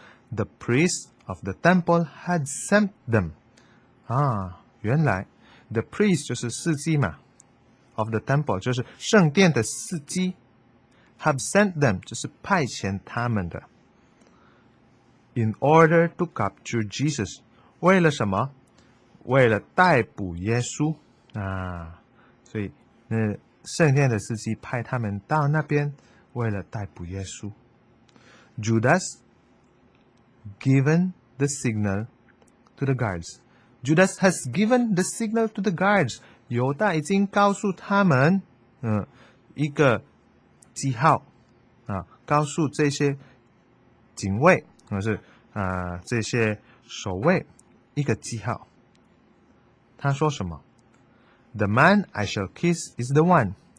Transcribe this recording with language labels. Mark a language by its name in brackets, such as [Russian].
[English] The priests of the temple had sent them [Chinese] 原来 [English] The priest [Chinese] 就是司机嘛， [English] of the temple [Chinese] 就是圣殿的司机， [English] have sent them [Chinese] 就是派遣他们的， [English] in order to capture Jesus， [Chinese] 为了什么？为了逮捕耶稣啊！所以那圣殿的司机派他们到那边，为了逮捕耶稣。 Judas [English] given the signal to the guards. Judas has given the signal to the guards. [Chinese] 犹大已经告诉他们，一个记号，告诉这些警卫，或是这些守卫一个记号。他说什么 ？ [English] The man I shall kiss is the one.